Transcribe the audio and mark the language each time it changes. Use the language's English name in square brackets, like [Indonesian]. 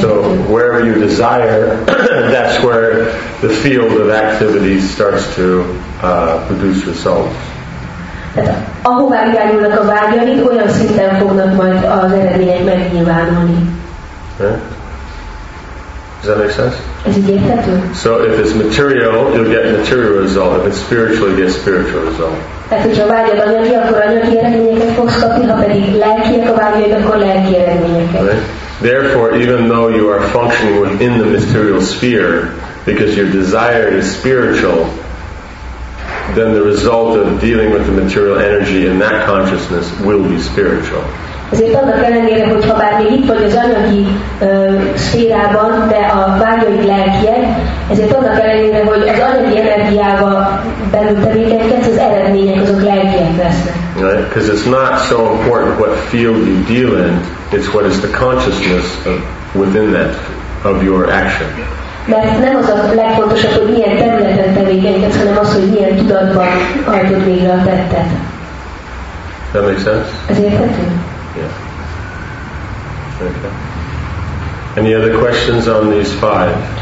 [English] So wherever you desire, that's where the field of activity starts to produce results. [Hungarian] Tehát ahová irányulnak a vágyaink, olyan szinten fognak majd az eredmények megnyilvánulni. [English] Does that make sense? [Hungarian] Ez így érthető? [English] So if it's material, you'll get material result. If it's spiritual, you get spiritual result. [Hungarian] Tehát hogyha vágyad anyagi, akkor anyagi eredményeket fogsz kapni, ha pedig lelkiek a vágyaid, akkor lelki eredményeket. [English] Therefore, even though you are functioning within the material sphere, because your desire is spiritual, then the result of dealing with the material energy in that consciousness will be spiritual. [Hungarian] Ezért annak ellenére, hogy ha bár még itt vagy az anyagi szférában, de a vágyaid lelkiek, ezért annak ellenére, hogy az anyagi energiába belül tevékenykedsz, az eredmények azok lelkiek lesznek. [English] Right? Because it's not so important what field you deal in, it's what is the consciousness within that of your action. [Hungarian] Mert nem az a legfontosabb, hogy milyen területen tevékenykedsz, hanem az, hogy milyen tudatban hajtod végre a tettet. [English] That makes sense? [Hungarian] Ez érthető? [English] Yeah. Okay. Any other questions on these five?